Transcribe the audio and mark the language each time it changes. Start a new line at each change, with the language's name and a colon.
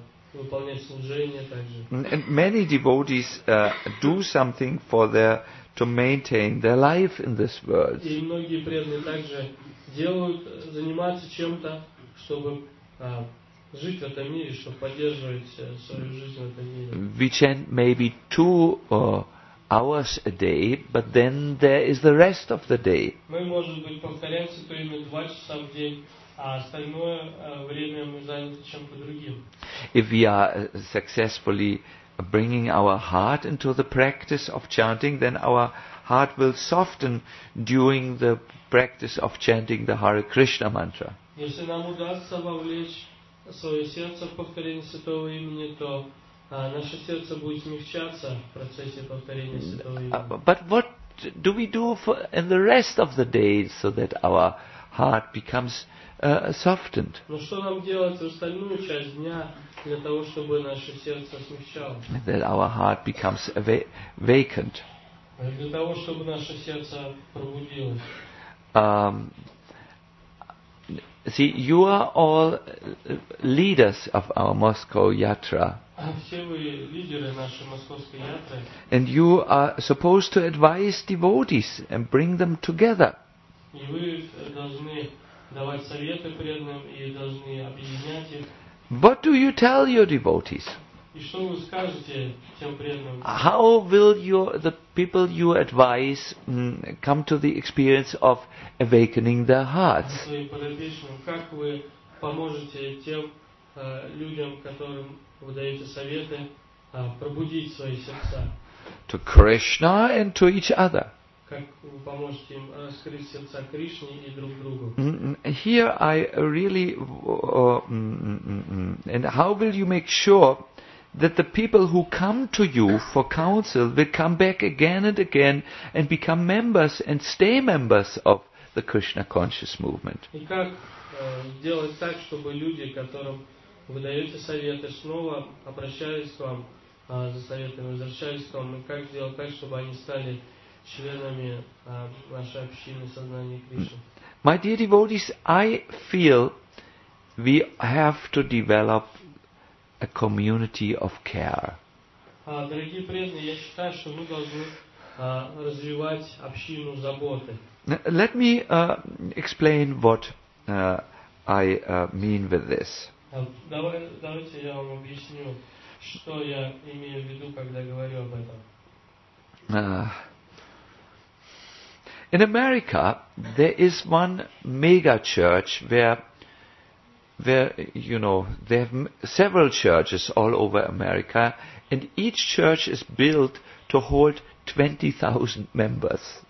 English: Many devotees do something for their to maintain their life in this world.
Russian: И многие преданные также делают, занимаются чем-то, чтобы жить в этом мире, чтобы поддерживать свою жизнь в этом мире.
English: We chant maybe 2 hours a day, but then there is the rest of the day.
Russian: Мы, может быть, повторяем только 2 часа в день.
English: If we are successfully bringing our heart into the practice of chanting, then our heart will soften during the practice of chanting the Hare Krishna mantra.
Russian: Если нам удастся вовлечь свое сердце в повторение святого имени, то наше сердце будет смягчаться в процессе повторения святого имени.
English: But what do we do for in the rest of the day so that our heart becomes softened?
Russian: Но что нам делать в остальную часть дня для того, чтобы наше сердце смягчалось?
English: That our heart becomes vacant.
Russian: Для того, чтобы наше сердце пробудилось.
English: See, you are all leaders of our Moscow Yatra.
Russian: Все вы лидеры нашей Московской Ятры.
English: And you are supposed to advise devotees and bring them together.
Russian: И вы должны давать советы преданным и должны объединять их.
English: What do you tell your devotees?
Russian: И что вы скажете тем преданным?
English: How will your the people you advise come to the experience of awakening their hearts?
Russian: Своим подопечным, как вы поможете тем людям, которым вы даете советы, пробудить свои сердца?
English: To Krishna and to each other.
Russian: Как вы поможете им раскрыть сердца Кришне и друг другу?
English: Here I really and how will you make sure that the people who come to you for counsel will come back again and again and become members and stay members of the Krishna conscious movement?
Russian: И как сделать так, чтобы люди, которым вы даете советы, снова обращались к вам за советами, возвращались к вам, и как сделать так, чтобы они стали членами нашей общины сознания Кришны?
English: My dear devotees, I feel we have to develop a community of care.
Russian: Дорогие преданные, я считаю, что мы должны развивать общину заботы.
English: Let me explain what I mean with this.
Russian: Давайте я вам объясню, что я имею в виду, когда говорю об этом.
English: In America, there is one mega church where you know, they have several churches all over America, and each church is built to hold 20,000 members.